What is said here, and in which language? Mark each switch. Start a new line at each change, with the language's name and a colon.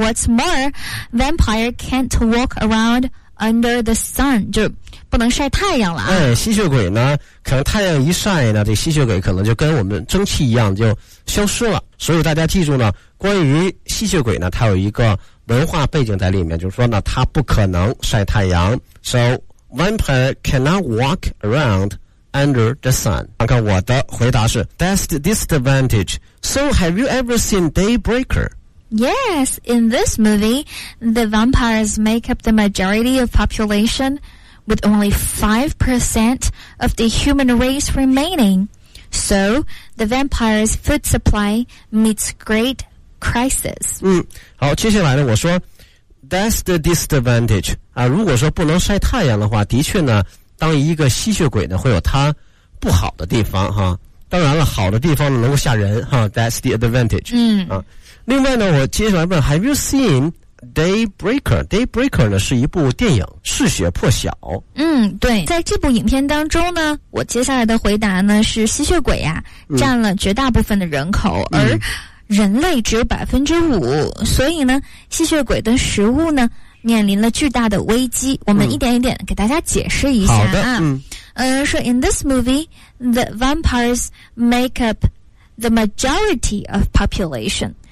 English: What's more, vampire can't walk around under the sun，
Chinese: 就不能晒太阳了啊。吸血鬼呢，可能太阳一晒呢，这吸血鬼可能就跟我们蒸汽一样就消失了。所以大家记住呢，关于吸血鬼呢，它有一个文化背景在里面，就是说呢，它不可能晒太阳。
English: So vampire cannot walk around under the sun。
Chinese: 看看我的回答是
English: ，That's the disadvantage. So have you ever seen Daybreaker? Yes, in this movie, the vampires make up the majority of population, with only 5% of the human race remaining. So, the vampires' food supply meets great crisis.
Chinese: 好，接下来呢，我说
English: that's the disadvantage.
Chinese: 啊，如果说不能晒太阳的话，的确呢，当一个吸血鬼呢，会有它不好的地方哈。当然了，好的地方呢，能够吓人哈。
English: That's the advantage.
Chinese: 另外呢，我接下来问
English: ，Have you seen Daybreaker？
Chinese: Daybreaker 呢是一部电影，《嗜血破晓》。对，在这部影片当中呢，我接下来的回答呢是吸血鬼呀，占了绝大部分的人口，而人类只有5%，所以呢，吸血鬼的食物呢面临了巨大的危机。我们一点一点给大家解释一下啊。
English: 说 In this movie, the vampires make up the majority of population.